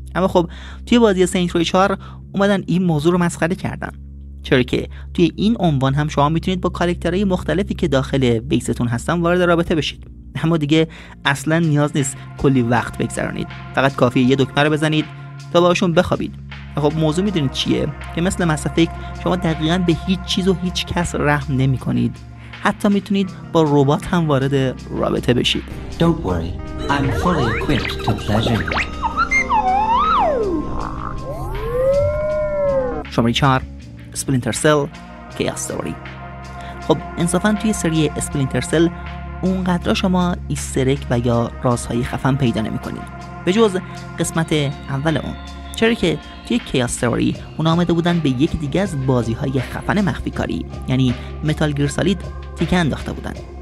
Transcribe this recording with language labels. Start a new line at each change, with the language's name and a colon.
Persian: اما خب توی بازی سینت روی 4 اومدن این موضوع رو مسخره کردن، چرا که توی این عنوان هم شما میتونید با کاراکترهای مختلفی که داخل بیستون هستن وارد رابطه بشید، اما دیگه اصلا نیاز نیست کلی وقت بگذرونید، فقط کافیه یه دکمه رو بزنید تا باهاشون بخوابید. خب موضوع میدونید چیه؟ که مثل مسافیک شما دقیقاً به هیچ چیز و هیچ کس رحم نمی کنید، حتی میتونید با ربات هم وارد رابطه بشید.
English: Don't worry, I'm fully equipped to pleasure you.
Persian: شماره 4، Splinter Cell Chaos Story. خب انصافاً توی سری Splinter Cell اونقدر شما ایسترک و یا رازهای خفن پیدا نمی کنید به جز قسمت اول اون، چرا که توی Chaos Story اونا آمده بودن به یک دیگه از بازی‌های خفن مخفی کاری یعنی Metal Gear Solid تیکه انداخته بودن.